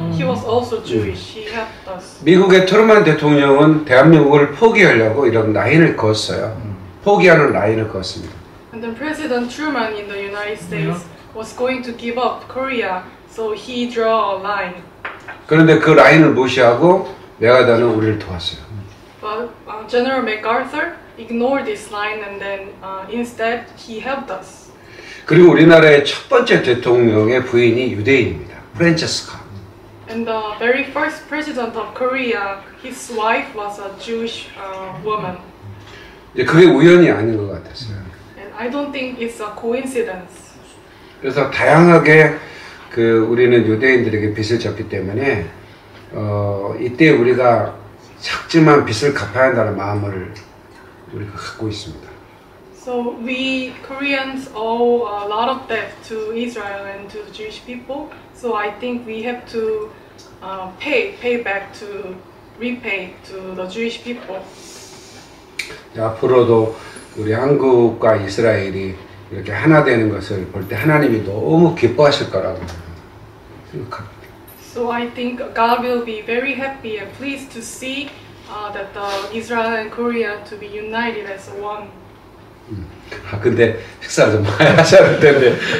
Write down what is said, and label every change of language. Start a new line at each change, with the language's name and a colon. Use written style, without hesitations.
English: He was also Jewish. He helped us.
Korean: 미국의 트루먼 대통령은 대한민국을 포기하려고 이런 라인을 그었어요. 포기하는 라인을 그었습니다.
English: And then President Truman in the United States was going to give up Korea, so he drew a line.
Korean: 그런데 그 라인을 무시하고 맥아더는 우리를 도왔어요.
English: But General MacArthur ignored this line and then instead he helped us.
Korean: 그리고 우리나라의 첫 번째 대통령의 부인이 유대인입니다. 프란체스카.
English: And the very first president of Korea, his wife was a Jewish woman.
Korean: 그게 우연이 아닌 것 같았어요.
English: And I don't think it's a coincidence.
Korean: 그래서 다양하게 그 우리는 유대인들에게 빚을 졌기 때문에 이때 우리가 작지만 빚을 갚아야 한다는 마음을 우리가 갖고 있습니다.
English: So we Koreans owe a lot of debt to Israel and to the Jewish people. So I think we have to pay back to repay to the Jewish people.
Korean: 네, 앞으로도 우리 한국과 이스라엘이 이렇게 하나 되는 것을 볼 때 하나님이 너무 기뻐하실 거라고 생각합니다.
English: So I think God will be very happy and pleased to see that the Israel and Korea to be united as one.
Korean: 아 근데 식사 좀 하셔야 될 텐데.